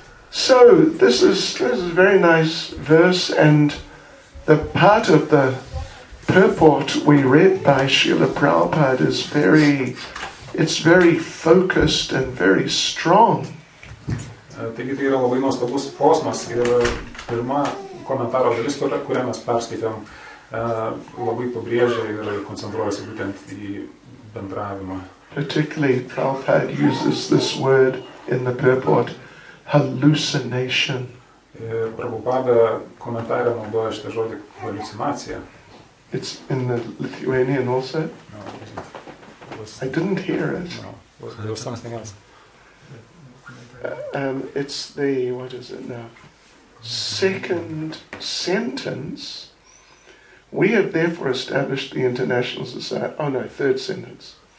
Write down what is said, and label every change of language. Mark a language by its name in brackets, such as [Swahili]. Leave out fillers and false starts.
[English] So, this is a very nice verse, and the part of the purport we read by Srila Prabhupada is very focused and very strong. [Lithuanian] Taigi tai yra labai nuostabus posmas ir pirma komentaro dalis, kurią mes perskaitėm, labai pabrėžia ir koncentruojasi būtent į bendravimą. [English] Particularly Prabhupada uses this word in the purport, hallucination. [Lithuanian] Ir Prabhupada komentare naudoja šitą žodį hallucinacija. [English] It's in the Lithuanian also? No, I didn't hear it. No, there was something else. It's the, what is it now? Second sentence. We have therefore established the International Society... Oh no, third sentence.